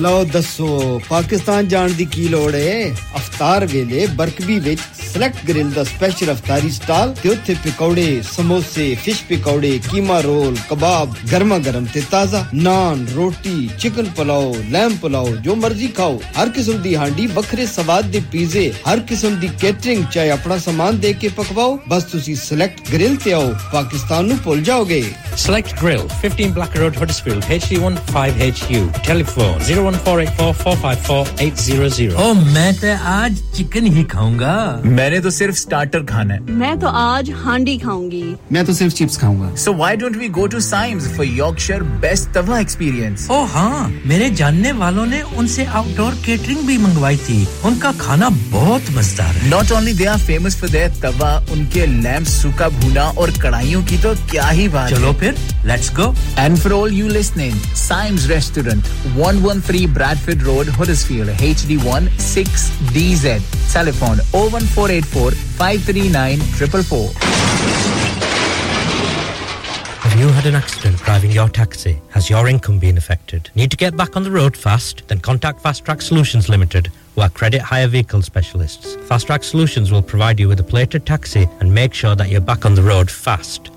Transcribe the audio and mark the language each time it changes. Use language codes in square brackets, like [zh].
[pa] لو دسو پاکستان جان دی کی لوڑ اے افطار ویلے برکبی وچ سلیکٹ گرل دا سپیشل افطاری سٹال تے اوتھے پکوڑے سموسے فش پکوڑے کیما رول کباب گرما گرم تے تازہ نان روٹی چکن پلاؤ لیم پلاؤ جو مرضی کھاؤ ہر قسم دی ਹਾਂਡੀ ਵੱਖਰੇ ਸਵਾਦ ਦੇ ਪੀਜ਼ੇ ਹਰ ਕਿਸਮ ਦੀ ਕੇਟਰਿੰਗ ਚਾਹੇ ਆਪਣਾ ਸਮਾਨ ਦੇ ਕੇ ਪਕਵਾਓ ਬਸ ਤੁਸੀਂ ਸਿਲੈਕਟ ਗ੍ਰਿਲ ਤੇ ਆਓ ਪਾਕਿਸਤਾਨ ਨੂੰ ਭੁੱਲ ਜਾਓਗੇ select grill 15 black road Huddersfield HD15HU telephone 01484554800 ਓ ਮੈਂ ਤੇ ਅੱਜ ਚਿਕਨ ਹੀ ਖਾਉਂਗਾ ਮੈਨੇ ਤਾਂ ਸਿਰਫ ਸਟਾਰਟਰ ਖਾਣਾ ਹੈ ਮੈਂ ਤਾਂ ਅੱਜ ਹਾਂਡੀ ਖਾਉਂਗੀ ਮੈਂ ਤਾਂ ਸਿਰਫ chips ਖਾਉਂਗਾ [en] so why don't we go to Symes for Yorkshire best tawa experience [pa] ਓ ਹਾਂ ਮੇਰੇ ਜਾਣਨੇ ਵਾਲੋ ਨੇ ਉਨਸੇ ਆਊਟਡੋਰ ਕੇਟਰਿੰਗ ਵੀ ਮੰਗਵਾਈ ਸੀ [hi] उनका खाना बहुत मजेदार है [en] not only they are famous for their tawa [hi] उनके लैम्ब सूखा भुना और कढ़ाइयों की तो क्या ही बात चलो फिर [en] Let's go and for all you listening Saim's restaurant 113 Bradford road Huddersfield HD16DZ telephone 01484-539-444 Have you had an accident driving your taxi? Has your income been affected? Need to get back on the road fast? Then contact Fast Track Solutions Limited, who are credit hire vehicle specialists. Fast Track Solutions will provide you with a plated taxi and make sure that you're back on the road fast.